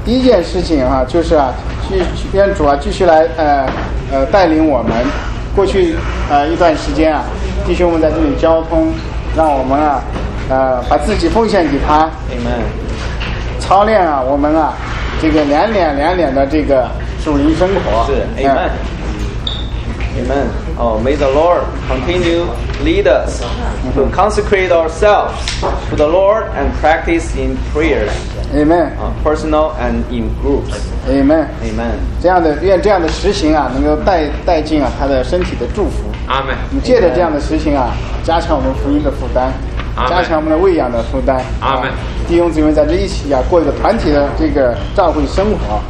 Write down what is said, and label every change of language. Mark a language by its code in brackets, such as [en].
[zh] 第一件事情啊，就是啊，去愿主啊继续来带领我们。过去一段时间啊，弟兄们在这里交通，让我们啊把自己奉献给他。 [en] Amen. [zh] 操练啊，我们啊这个连连连连的这个属灵生活。 [en] 是 ，Amen. Amen. Oh, may the Lord continue lead us to consecrate ourselves to the Lord and practice in prayers. Amen. Personal and in groups. Amen. Amen. [zh] 这样的愿这样的实行啊，能够带进啊他的身体的祝福。 [en] Amen. [zh] 你借着这样的实行啊，加强我们福音的负担。加强我们的喂养的负担。阿们、啊、弟兄姊妹在这一起啊，过一个团体的这个教会生活。